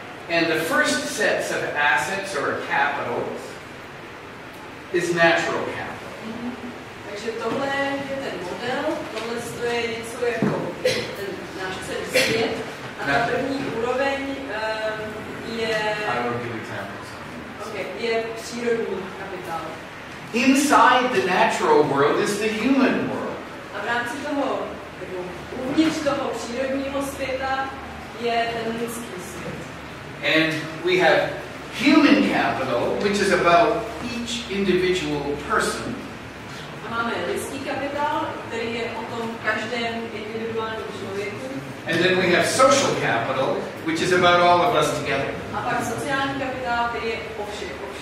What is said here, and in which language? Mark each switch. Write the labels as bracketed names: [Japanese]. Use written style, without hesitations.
[English] And the first sets of assets or capitals is natural capital. Mm-hmm. [Czech] Takže tohle je ten model, tohle je něco jako ten náš celý svět. A ta první úroveň je... [English] I will give examples. [Czech] Okay, je přírodní kapitál. [English] Inside the natural world is the human world. [Czech] rámci toho, jako uvnitř toho přírodního světa je ten lidský svět. [English] And we have human capital, which is about each individual person. [Czech] A máme lidský kapitál, který je o tom každém individuálním člověku. [English] And then we have social capital, which is about all of us together. [Czech] A pak sociální kapitál, který je o všech,